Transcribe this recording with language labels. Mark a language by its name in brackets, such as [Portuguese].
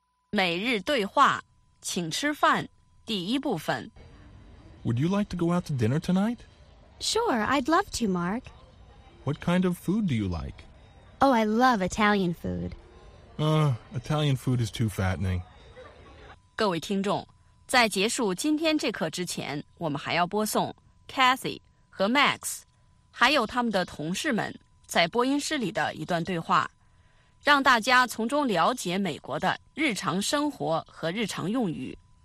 [Chinese] 每日对话，请吃饭，第一部分。 [English] Would you like to go out to dinner tonight? Sure, I'd love to, Mark. What kind of food do you like? Oh, I love Italian food. Italian food is too fattening. [Chinese] 各位听众，在结束今天这课之前，我们还要播送 Cathy 和 Max， 还有他们的同事们在播音室里的一段对话，让大家从中了解美国的日常生活和日常用语。